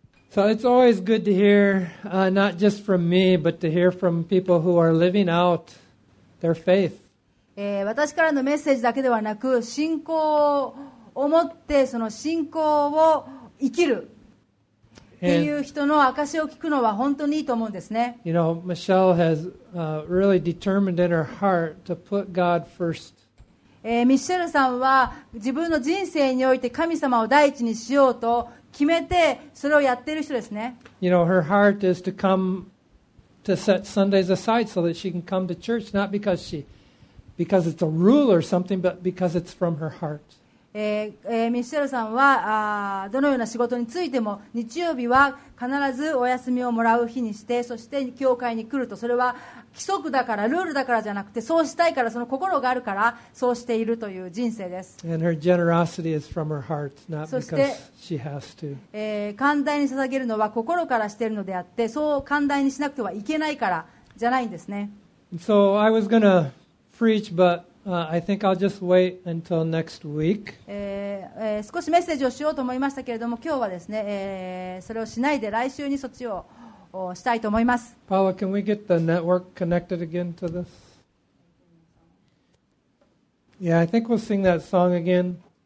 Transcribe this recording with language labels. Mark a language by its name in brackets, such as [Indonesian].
[English] So it's always good to hear, not just from me, but to hear from people who are living out. Their faith. [Japanese] 私からのメッセージだけではなく、信仰を持ってその信仰を生きるっていう人の証を聞くのは本当にいいと思うんですね。 [English] You know, Michelle has really determined in her heart to put God first. [Japanese] ミッシェルさんは自分の人生において神様を第一にしようと決めてそれをやっている人ですね。 [English] You know, her heart is to come. To set Sundays aside so that she can come to church, not because it's a rule or something, but because it's from her heart. [Japanese] ミシェルさんはどのような仕事についても日曜日は必ずお休みをもらう日にして、そして教会に来ると、それは規則だからルールだからじゃなくて、そうしたいからその心があるからそうしているという人生です。 [English] And her generosity is from her heart, not because she has to. [Japanese] 寛大に捧げるのは心からしているのであって、そう寛大にしなくてはいけないからじゃないんですね。 [English] So I was gonna preach, but I think I'll just wait until next week. [Japanese] 少しメッセージをしようと思いましたけれども、今日はですね、それをしないで来週にそっちをしたいと思います。 [English] Paula, can we get the network connected again to this? Yeah, I think we'll sing that song again.